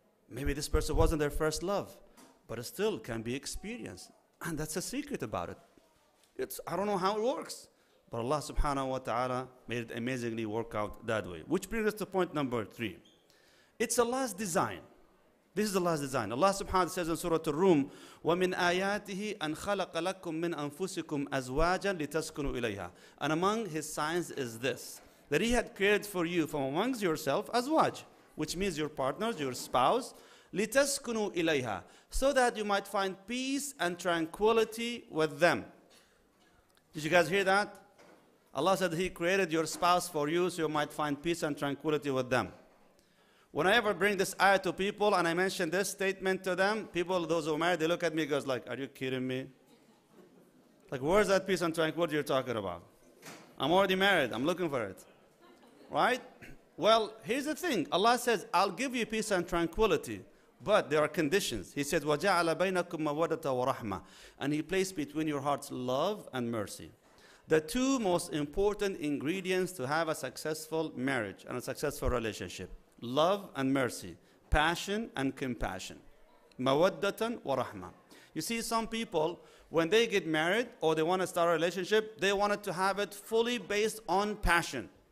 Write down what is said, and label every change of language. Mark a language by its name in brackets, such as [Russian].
[English] Maybe this person wasn't their first love. But it still can be experienced. And that's a secret about it. I don't know how it works. But Allah subhanahu wa ta'ala made it amazingly work out that way. Which brings us to point number three. It's Allah's design. This is Allah's design. Allah subhanahu wa ta'ala says in Surah Ar-Rum, [Arabic] وَمِنْ آيَاتِهِ أَنْ خَلَقَ لَكُمْ مِنْ أَنفُسِكُمْ أَزْوَاجًا لِتَسْكُنُوا إِلَيْهَا. [English] And among his signs is this, that he had created for you from amongst yourself azwaj, which means your partners, your spouse, [Arabic] لِتَسْكُنُوا إِلَيْهَا, [English] so that you might find peace and tranquility with them. Did you guys hear that? Allah said He created your spouse for you so you might find peace and tranquility with them. When I ever bring this ayah to people and I mention this statement to them, people, those who are married, they look at me and go, like, are you kidding me? Like, where's that peace and tranquility you're talking about? I'm already married. I'm looking for it. Right? Well, here's the thing. Allah says, I'll give you peace and tranquility, but there are conditions. He says, [Arabic] وَجَعَلَ بَيْنَكُمْ مَوَدَّةً وَرَحْمَةً. [English] And He placed between your hearts love and mercy. The two most important ingredients to have a successful marriage and a successful relationship. Love and mercy. Passion and compassion. [Arabic] مَوَدَّةً وَرَحْمَةً. [English] You see, some people, when they get married or they want to start a relationship, they wanted to have it fully based on passion.